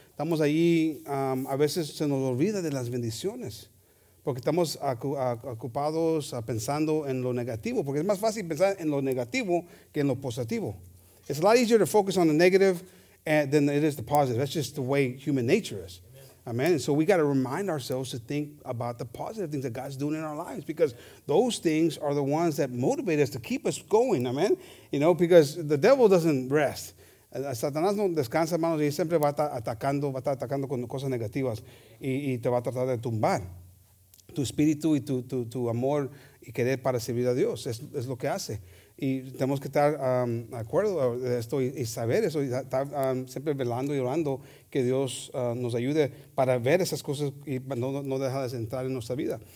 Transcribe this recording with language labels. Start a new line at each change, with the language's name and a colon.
Spanish: Estamos ahí, a veces se nos olvida de las bendiciones. Porque estamos ocupados pensando en lo negativo. Porque es más fácil pensar en lo negativo que en lo positivo.
English: It's a lot easier to focus on the negative than it is the positive. That's just the way human nature is. Amen. And so we got to remind ourselves to think about the positive things that God's doing in our lives, because those things are the ones that motivate us to keep us going. Amen. You know, because the devil doesn't rest.
Spanish: Satanás no descansa, hermanos, y siempre va a estar atacando, con cosas negativas y te va a tratar de tumbar tu espíritu y tu amor y querer para servir a Dios. Es lo que hace. Y tenemos que estar de acuerdo de esto y saber eso, y estar siempre velando y orando que Dios nos ayude para ver esas cosas y no dejar de entrar en nuestra vida.